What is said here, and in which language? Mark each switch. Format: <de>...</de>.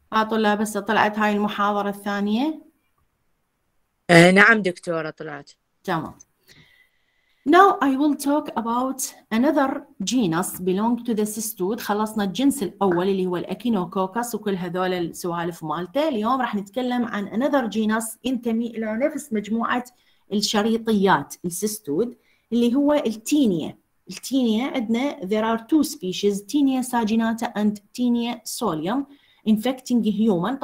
<ar>طلاب بس طلعت هاي المحاضرة الثانية. نعم دكتورة طلعت. تمام.</ar> <en>Now I will talk about another genus belong to the cystode.</en> <ar>خلصنا الجنس الأول اللي هو الأكينوكوكس وكل هذول السوالف مالته، اليوم راح نتكلم عن</ar> <en>another genus</en> <ar>ينتمي إلى نفس مجموعة الشريطيات السيستود اللي هو التينيا. التينيا عندنا</ar> <en>there are two species, taenia saginata and taenia solium infecting human.</en>